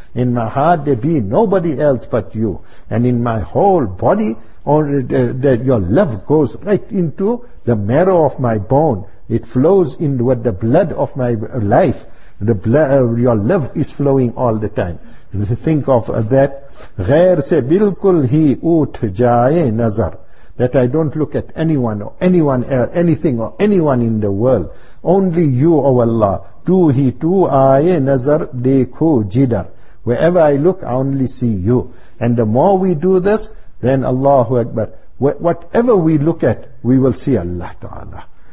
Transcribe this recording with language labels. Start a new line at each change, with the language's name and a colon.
English: In my heart there be nobody else but you. And in my whole body, that your love goes right into the marrow of my bone. It flows in with the blood of my life. The blood, your love is flowing all the time. Think of that.
Urdu: غیر سے بالکل ہی اوٹھ جائے نظر.
English: that I don't look at anyone or anyone else, anything or anyone in the world. Only you, O Allah.
Urdu: Tu hi tu aaye nazar dekho jidar.
English: Wherever I look, I only see you. And the more we do this, then Allahu Akbar. Whatever we look at, we will see Allah Ta'ala.